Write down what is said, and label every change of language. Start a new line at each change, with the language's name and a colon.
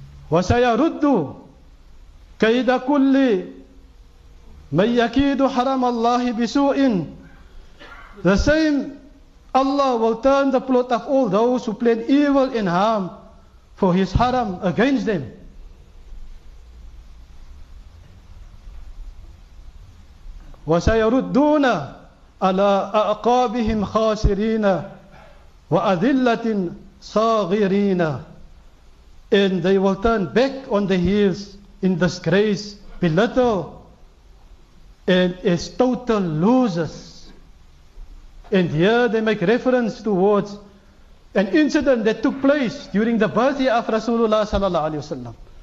Arabic: وَسَيَرُدُّ كَيْدَ كُلِّ مَنْ يَكِيدُ حَرَمَ اللَّهِ بِسُوءٍ.
English: The same Allah will turn the plot of all those who plan evil and harm for his haram against them.
Arabic: وسيردون على أعقابهم خاسرين وأذلة صاغرين.
English: And they will turn back on the heels in disgrace, belittle, and as total losers. And here they make reference towards an incident that took place during the birth of Rasulullah sallallahu alaihi wasallam.